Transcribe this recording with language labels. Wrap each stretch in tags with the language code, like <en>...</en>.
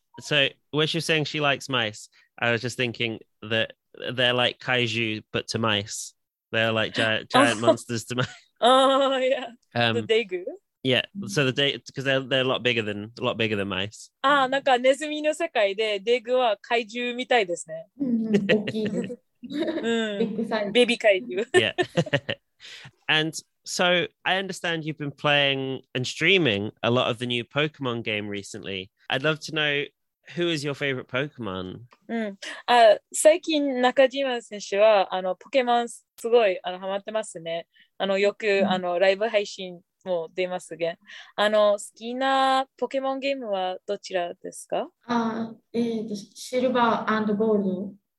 <en>So, when she's saying she likes mice, I was just thinking that they're like kaiju, but to mice. They're like giant monsters to mice. Oh, yeah. The Degu. Yeah, so because they're a lot bigger than mice.</en> <ja>Ah, なんかネズミの世界でデグは怪獣みたいですね。大きい。ベビー怪獣。</ja> <en>Yeah. And so I understand you've been playing and streaming a lot of the new Pokemon game recently. I'd love to know who is your favorite Pokemon.</en> <ja>最近中島選手はあのポケモンすごいあのハマってますね。あのよくあのライブ配信もう出ますね。あの好きなポケモンゲームはどちらですか？シルバー&ゴールド。</ja>